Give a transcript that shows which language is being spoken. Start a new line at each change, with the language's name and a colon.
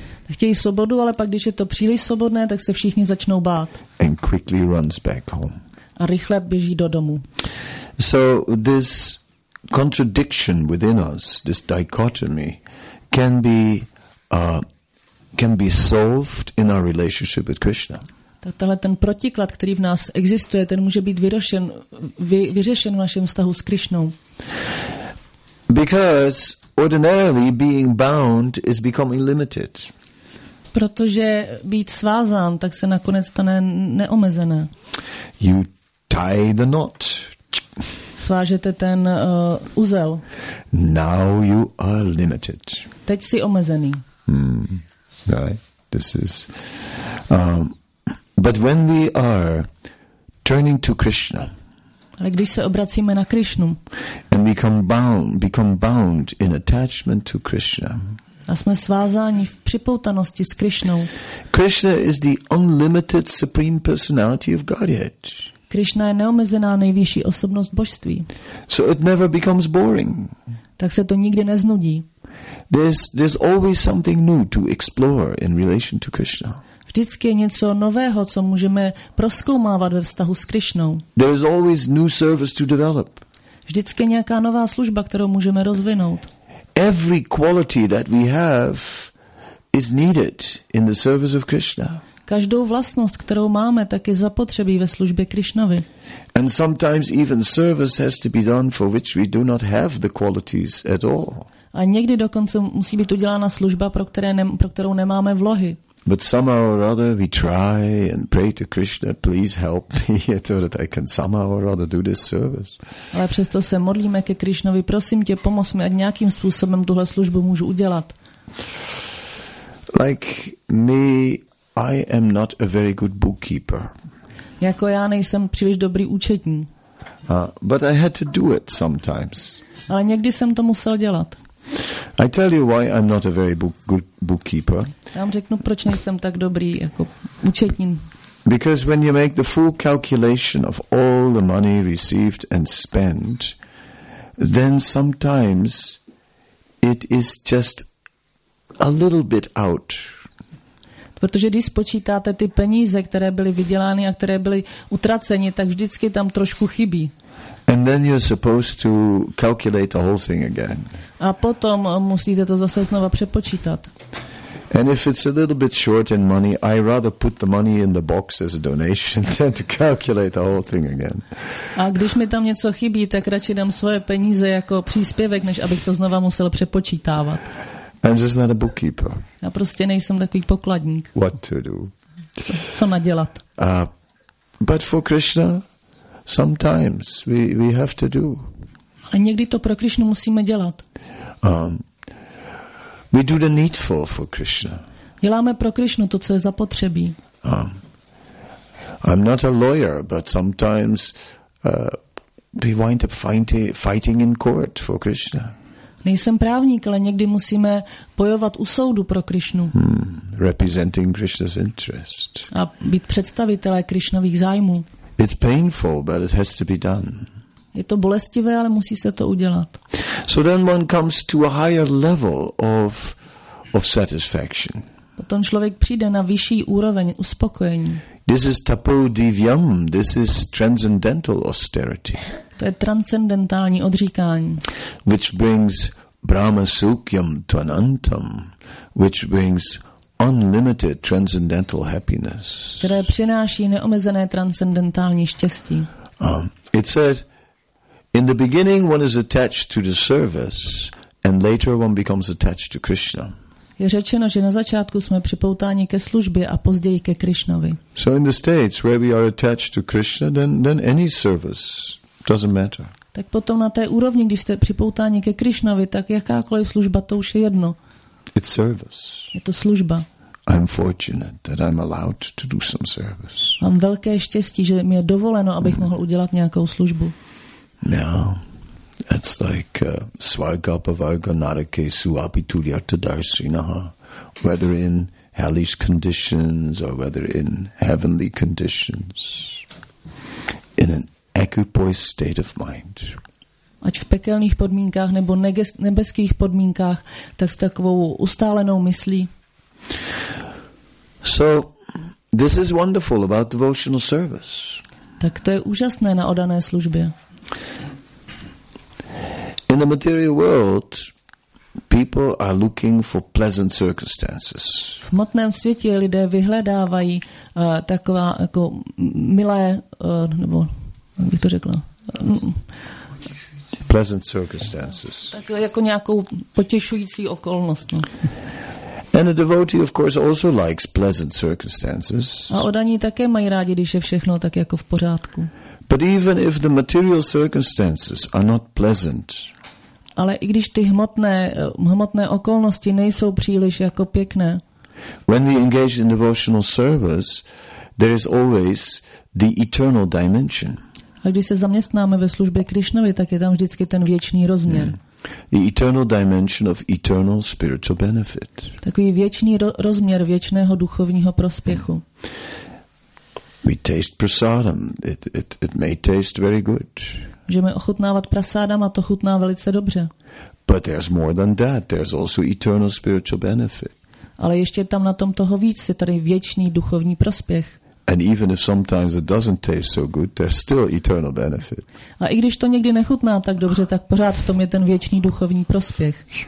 Czech: Chtějí svobodu, ale pak, když je to příliš svobodné, tak se všichni začnou bát.
English: And quickly runs back home.
Czech: A rychle běží do domu.
English: So this contradiction within us, this dichotomy, can be solved in our relationship with Krishna.
Czech: Tenhle ten protiklad, který v nás existuje, ten může být vyřešen v našem vztahu s Krišnou.
English: Because ordinarily being bound is becoming limited.
Czech: Protože být svázán, tak se nakonec stane neomezené.
English: You tie the knot.
Czech: Svážete ten uzel.
English: Now you are limited.
Czech: Teď jsi omezený.
English: Right. This is. But when we are turning to Krishna.
Czech: Ale když se obracíme na Krišnu.
English: And become bound in attachment to Krishna.
Czech: A jsme svázáni v připoutanosti s Krišnou.
English: Krishna is the unlimited supreme personality of Godhead.
Czech: Krišna je neomezená nejvyšší osobnost božství.
English: So it never becomes boring.
Czech: Tak se to nikdy neznudí.
English: There's always something new to explore in relation to Krishna.
Czech: Vždycky je něco nového, co můžeme prozkoumávat ve vztahu s Krišnou.
English: There is always new service to develop.
Czech: Vždycky je nějaká nová služba, kterou můžeme rozvinout.
English: Every quality that we have is needed in the service of Krishna.
Czech: Každou vlastnost, kterou máme, tak je zapotřebí ve službě Krišnovi.
English: And sometimes even service has to be done for which we do not have the qualities at all.
Czech: A někdy dokonce musí být udělána služba, pro kterou nemáme vlohy.
English: But somehow or other we try and pray to Krishna, please help me so that I can somehow or other do this service.
Czech: Ale přesto se modlíme ke Krišnovi, prosím tě, pomoz mi, ať nějakým způsobem tuhle službu můžu udělat.
English: Like me, I am not a very good bookkeeper.
Czech: Jako já nejsem příliš dobrý účetní.
English: But I had to do it sometimes.
Czech: Ale někdy jsem to musel dělat.
English: I tell you why I'm not a very good bookkeeper.
Czech: Já vám řeknu, proč nejsem tak dobrý jako účetní.
English: Because when you make the full calculation of all the money received and spent, then sometimes it is just a little bit out.
Czech: Protože když spočítáte ty peníze, které byly vydělány a které byly utraceny, tak vždycky tam trošku chybí.
English: And then you're supposed to calculate the whole thing again.
Czech: A potom musíte to zase znova přepočítat.
English: And if it's a little bit short in money, I rather put the money in the box as a donation than to calculate the whole thing again.
Czech: A když mi tam něco chybí, tak radši dám svoje peníze jako příspěvek, než abych to znova musel přepočítávat.
English: I'm just not a bookkeeper.
Czech: Já prostě nejsem takový pokladník.
English: What to do?
Czech: Co nadělat?
English: But for Krishna, sometimes we have to do.
Czech: A někdy to pro Krišnu musíme dělat.
English: We do the needful for Krishna.
Czech: Děláme pro Krišnu to, co je zapotřebí.
English: I'm not a lawyer, but sometimes we wind up fighting in court for Krishna.
Czech: Nejsem právník, ale někdy musíme bojovat u soudu pro Krišnu.
English: Representing Krishna's interest.
Czech: A být představitelé Krišnových zájmů.
English: It's painful, but it has to be done.
Czech: Je to bolestivé, ale musí se to udělat.
English: So then one comes to a higher level of satisfaction.
Czech: Potom člověk přijde na vyšší úroveň uspokojení.
English: This is
Sanskrit: tapo divyam.
English: This is transcendental austerity.
Czech: To je transcendentální odříkání.
English: Which brings
Sanskrit: brahma sukhyam tvanantam,
English: which brings unlimited transcendental happiness.
Czech: Které přináší neomezené transcendentální štěstí.
English: It says, in the beginning one is attached to the service, and later one becomes attached to Krishna.
Czech: Je řečeno, že na začátku jsme připoutáni ke službě a později ke Krišnovi.
English: So in the states where we are attached to Krishna, then any service doesn't matter.
Czech: Tak potom na té úrovni, když jste připoutáni ke Krišnovi, tak jakákoliv služba, to už je jedno.
English: It's service.
Czech: Je to služba.
English: I'm fortunate that I'm allowed to do some service.
Czech: Mám velké štěstí, že mi je dovoleno, abych mohl udělat nějakou službu.
English: No. It's like
Sanskrit: Swargapavarga Narake Suapituliata Darsinaha.
English: Whether in hellish conditions or whether in heavenly conditions, in an equipoise state of mind.
Czech: Ať v pekelných podmínkách nebo nebeských podmínkách, tak s takovou ustálenou myslí.
English: So, this is wonderful about devotional service.
Czech: Tak to je úžasné na oddané službě.
English: In the material world, people are looking for pleasant circumstances.
Czech: V hmotném světě lidé vyhledávají taková jako milé nebo jak bych to řekla. Pleasant circumstances. Tak jako nějakou potěšující okolnost. No.
English: And a devotee, of course, also likes pleasant circumstances.
Czech: A oddaní také mají rádi, když je všechno tak jako v pořádku.
English: But even if the material circumstances are not pleasant.
Czech: Ale i když ty hmotné okolnosti nejsou příliš jako pěkné.
English: When we engage in devotional service, there is always the eternal dimension.
Czech: A když se zaměstnáme ve službě Krišnovi, tak je tam vždycky ten věčný rozměr.
English: The eternal dimension of eternal spiritual benefit.
Czech: Takový věčný rozměr věčného duchovního prospěchu.
English: We taste prasadam. It may taste very good.
Czech: Můžeme ochutnávat prasadam a to chutná velice dobře.
English: But there's more than that. There's also eternal spiritual benefit.
Czech: Ale ještě tam na tom toho víc, je tady věčný duchovní prospěch.
English: And even if sometimes it doesn't taste so good, there's still eternal benefit.
Czech: A i když to někdy nechutná tak dobře, tak pořád v tom je ten věčný duchovní prospěch.